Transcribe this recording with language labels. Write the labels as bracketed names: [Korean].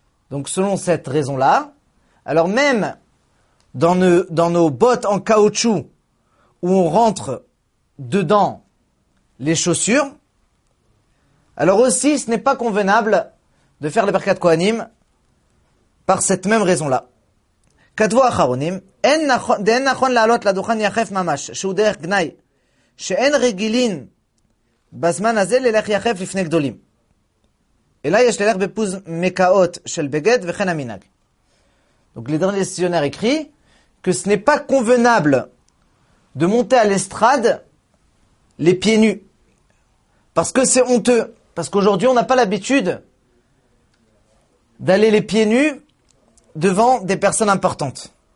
[French] Donc selon cette raison-là, alors même dans nos bottes en caoutchouc où on rentre dedans les chaussures, alors aussi ce n'est pas convenable de faire le Birkat Kohanim par cette même raison-là. [Hebrew] כתבו אחרונים, אין נכון לעלות לדוכן יחף ממש, שהוא דרך גנאי, שאין רגילין בזמן הזה ללך יחף לפני גדולים. אלא יש ללך בפוז מקאות של בגד וכן המנהג. [French] Donc le dernier décisionnaire écrit que ce n'est pas convenable de monter à l'estrade les pieds nus. Parce que c'est honteux. Parce qu'aujourd'hui, on n'a pas l'habitude d'aller les pieds nus devant des personnes importantes.